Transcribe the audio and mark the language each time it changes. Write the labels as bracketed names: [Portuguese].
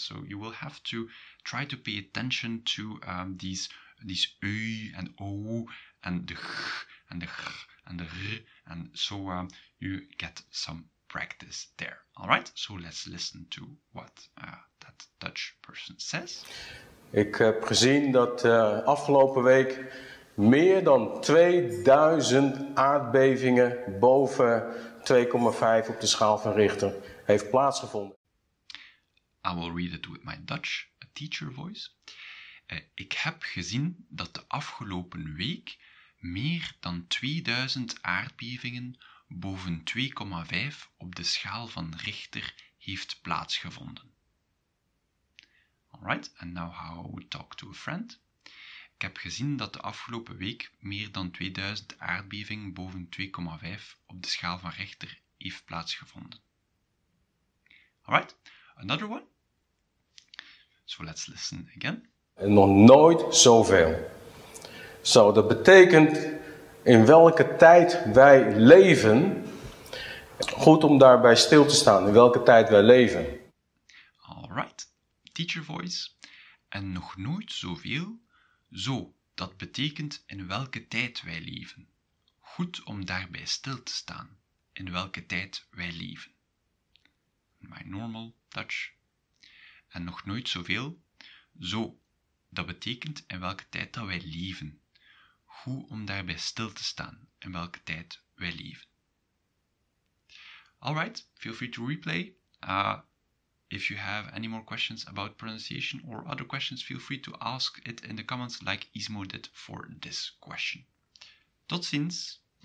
[English] So you will have to try to pay attention to these u and o and the g and the g and the r, and so you get some practice there. All right, so let's listen to what that Dutch person says. [Dutch] Ik heb gezien dat afgelopen week meer dan 2000 aardbevingen boven 2,5 op de schaal van Richter heeft plaatsgevonden. [English] I will read it with my Dutch teacher voice. [Dutch] Ik heb gezien dat de afgelopen week meer dan 2000 aardbevingen boven 2,5 op de schaal van Richter heeft plaatsgevonden. [English] Alright, and now how I would talk to a friend. [Dutch] Ik heb gezien dat de afgelopen week meer dan 2000 aardbevingen boven 2,5 op de schaal van Richter heeft plaatsgevonden. [English] Alright, another one. So let's listen again. [Dutch] En nog nooit zoveel. Zo, dat betekent in welke tijd wij leven. Goed om daarbij stil te staan, in welke tijd wij leven. [English] Alright, teacher voice. [Dutch] En nog nooit zoveel. Zo, dat betekent in welke tijd wij leven. Goed om daarbij stil te staan, in welke tijd wij leven. [English] My normal Dutch. [Dutch] En nog nooit zoveel. Zo, dat betekent in welke tijd dat wij leven. Goed om daarbij stil te staan, in welke tijd wij leven. [English] Alright, feel free to replay. If you have any more questions about pronunciation or other questions, feel free to ask it in the comments like Ismo did for this question. [Dutch] Tot ziens!